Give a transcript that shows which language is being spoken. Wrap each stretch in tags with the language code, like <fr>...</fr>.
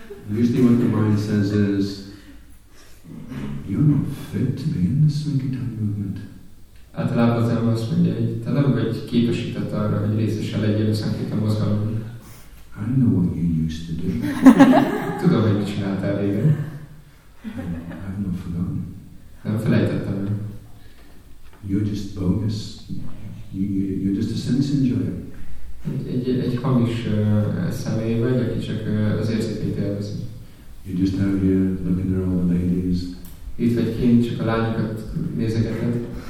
<en>Usually what the mind says is, you're not fit to be in the Sankirtan movement.</en> <hu>Általában az ember azt mondja, hogy te nem vagy képesített arra, hogy részese legyél a Sankirtan mozgalomban.</hu> <en>I know what you used to do.</en> <hu>Tudom, hogy mit csináltál régen.</hu> <en>I've not forgotten.</en> <hu>Nem felejtettem.</hu> <en>You're just bogus. You're just a sense enjoyer.</en> <hu>Egy hamis személy vagy, aki csak az érzékét élvezi.</hu> <en>You're just out here looking at all the ladies.</en> <hu>Itt vagy kint, csak a lányokat nézegeted.</hu>